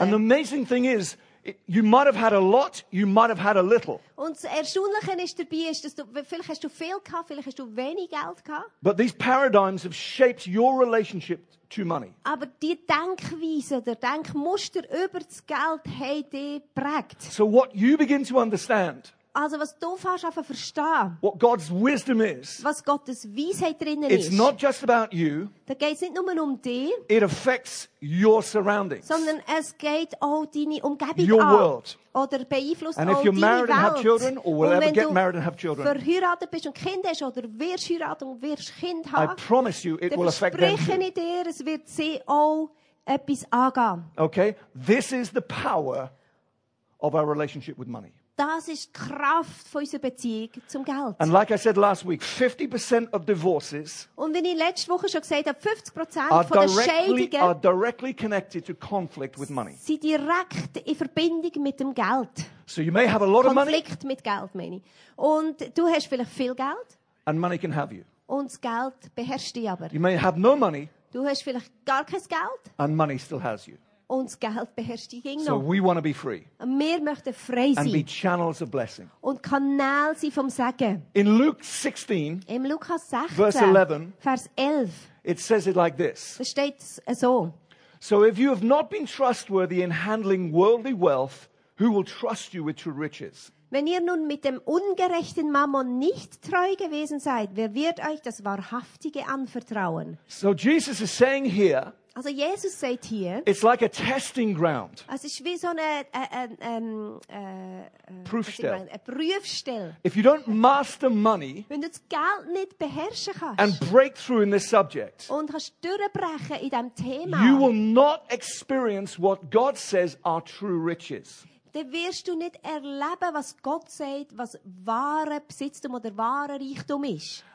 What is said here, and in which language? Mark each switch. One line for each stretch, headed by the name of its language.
English: And the amazing thing is, you might have had a lot, you might have had a little.
German: Und das Erstaunliche ist dabei, ist, dass du, vielleicht hast du viel gehabt, vielleicht hast du wenig Geld gehabt.
English: But these paradigms have shaped your relationship to money.
German: Aber die Denkweise oder Denkmuster über das Geld haben dich geprägt.
English: So what you begin to understand,
German: also was du fährst auf verstehen,
English: what God's wisdom is,
German: was Gottes Weisheit drinnen
English: ist, it's not just about you,
German: da geht's nicht nur um dich,
English: it affects your surroundings,
German: sondern es geht auch deine Umgebung
English: your
German: an,
English: world,
German: oder beeinflusst
English: and
German: auch
English: if you're
German: deine
English: married
German: Welt.
English: And have children, or will ever get married and have children,
German: verheiratet bist und Kinder hast, oder wirst heiratet und wirst Kind haben,
English: I promise you, it will affect them too.
German: Ich dir, es wird sie auch etwas angehen.
English: Okay, this is the power of our relationship with money.
German: Das ist die Kraft von unserer Beziehung zum Geld.
English: And like I said last week, 50% of divorces,
German: und wie ich letzte Woche schon gesagt habe, 50% von den Scheidungen
English: are directly connected to conflict with money.
German: Sind direkt in Verbindung mit dem Geld.
English: So you may have a lot of money.
German: Konflikt mit Geld, meine ich. Und du hast vielleicht viel Geld.
English: And money can have you.
German: Und das Geld beherrscht dich aber.
English: You may have no money.
German: Du hast vielleicht gar kein Geld.
English: And money still has you.
German: Und das Geld beherrscht dich noch.
English: So we want to be free.
German: Und wir möchten frei sein.
English: And be channels of blessing.
German: Und Kanäle sein vom Segen.
English: In Luke 16,
German: im Lukas 16,
English: verse 11,
German: Vers 11,
English: it says it like this.
German: Da steht's so.
English: So if you have not been trustworthy in handling worldly wealth, who will trust you with true riches?
German: Wenn ihr nun mit dem ungerechten Mammon nicht treu gewesen seid, wer wird euch das Wahrhaftige anvertrauen?
English: So Jesus is saying here,
German: also Jesus sagt hier,
English: it's like a testing ground.
German: Es ist wie so eine Prüfstelle.
English: If you don't master money,
German: wenn du das Geld nicht beherrschen kannst,
English: and break through in this subject,
German: und kannst durchbrechen in diesem Thema,
English: you will not experience what God says are true riches.
German: Dann wirst du nicht erleben, was Gott sagt, was wahre Besitztum oder wahre Reichtum ist.